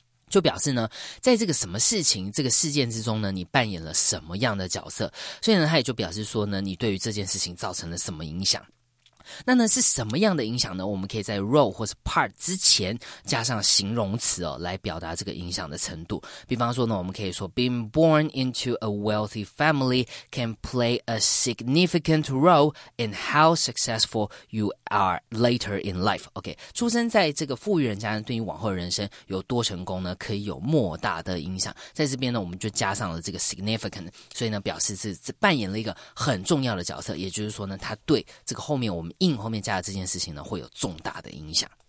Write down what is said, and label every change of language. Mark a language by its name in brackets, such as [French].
[Chinese] 就表示呢在这个什么事情这个事件之中呢你扮演了什么样的角色。所以呢他也就表示说呢你对于这件事情造成了什么影响。那呢是什么样的影响呢，我们可以在 role 或是 part 之前加上形容词哦，来表达这个影响的程度。比方说呢我们可以说 [English] being born into a wealthy family can play a significant role in how successful you are later in life. [Chinese] OK, 出生在这个富裕人家对你往后人生有多成功呢可以有莫大的影响。在这边呢我们就加上了这个 significant, 所以呢表示 是扮演了一个很重要的角色，也就是说呢他对这个后面我们in 后面加的这件事情呢会有重大的影响。